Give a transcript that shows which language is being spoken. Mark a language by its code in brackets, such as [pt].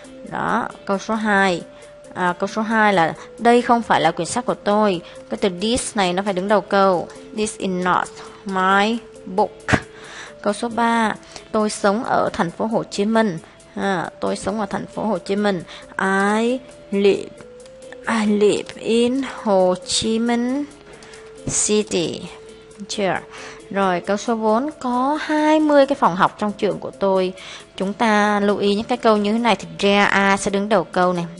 [vi] Đó, câu số 2. Câu số 2 là đây không phải là quyển sách của tôi. Cái từ this này nó phải đứng đầu câu. [en] This is not my book. [vi] Câu số 3, tôi sống ở thành phố Hồ Chí Minh. Tôi sống ở thành phố Hồ Chí Minh. [en] I live in Hồ Chí Minh City. [vi] Chưa? Rồi, câu số 4, có 20 cái phòng học trong trường của tôi. Chúng ta lưu ý những cái câu như thế này thì [en] there are [vi] sẽ đứng đầu câu này.